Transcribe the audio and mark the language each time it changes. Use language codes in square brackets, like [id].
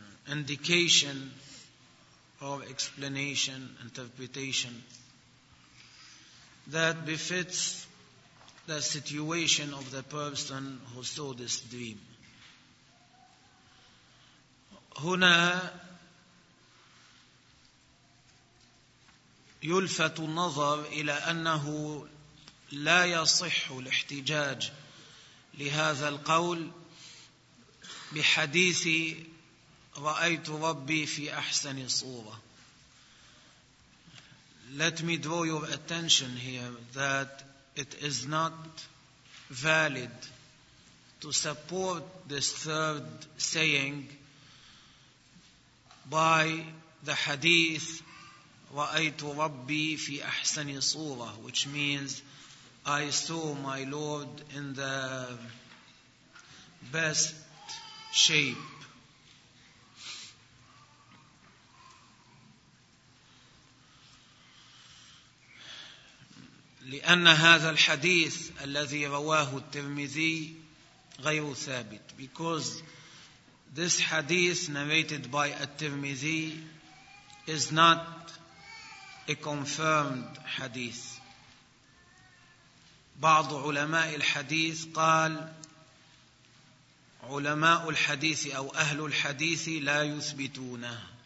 [en] indication of explanation, interpretation that befits the situation of the person who saw this dream. [ar] هنا يلفت النظر إلى أنه لا يصح الاحتجاج لهذا القول بحديث رأيت ربي في أحسن صورة. [en] Let me draw your attention here that it is not valid to support this third saying by the hadith [ar] رأيت ربي في أحسن صورة, [en] which means I saw my Lord in the best shape. [ar] لأن هذا الحديث الذي رواه الترمذي غير ثابت. [en] Because this hadith narrated by الترمذي is not a confirmed hadith. [ar] بعض علماء الحديث قال علماء الحديث أو أهل الحديث لا يثبتونه.